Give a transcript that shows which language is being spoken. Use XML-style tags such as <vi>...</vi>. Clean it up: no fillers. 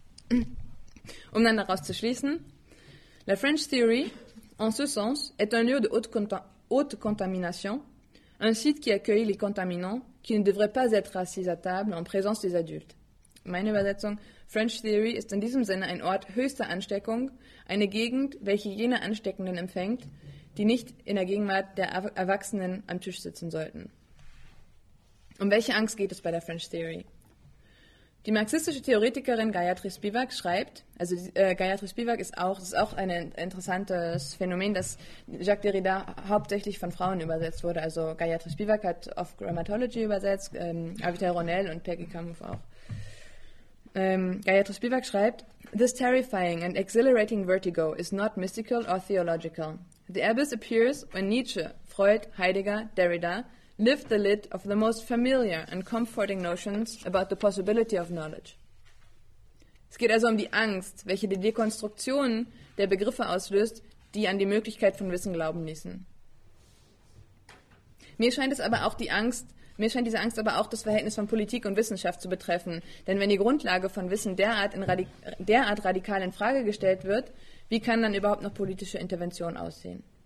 <de>Um dann daraus zu schließen,</de> <fr>la French Theory, en ce sens, est un lieu de haute contamination, un site qui accueille les contaminants qui ne devraient pas être assis à table en présence des adultes.</fr> <de>Meine Übersetzung, French Theory ist in diesem Sinne ein Ort höchster Ansteckung, eine Gegend, welche jene Ansteckenden empfängt, die nicht in der Gegenwart der Erwachsenen am Tisch sitzen sollten. Um welche Angst geht es bei der French Theory? Die marxistische Theoretikerin Gayatri Spivak schreibt, also Gayatri Spivak ist auch ein interessantes Phänomen, dass Jacques Derrida hauptsächlich von Frauen übersetzt wurde. Also Gayatri Spivak hat Off Grammatology übersetzt, Avital Ronell und Peggy Kampf auch. Gayatri Spivak schreibt,</de> <en>"This terrifying and exhilarating vertigo is not mystical or theological. The abyss appears when Nietzsche, Freud, Heidegger, Derrida lift the lid of the most familiar and comforting notions about the possibility of knowledge."</en> <de>Es geht also um die Angst, welche die Dekonstruktion der Begriffe auslöst, die an die Möglichkeit von Wissen glauben ließen. Mir scheint diese Angst aber auch das Verhältnis von Politik und Wissenschaft zu betreffen. Denn wenn die Grundlage von Wissen derart radikal in Frage gestellt wird, wie kann dann überhaupt noch politische Intervention aussehen?</de>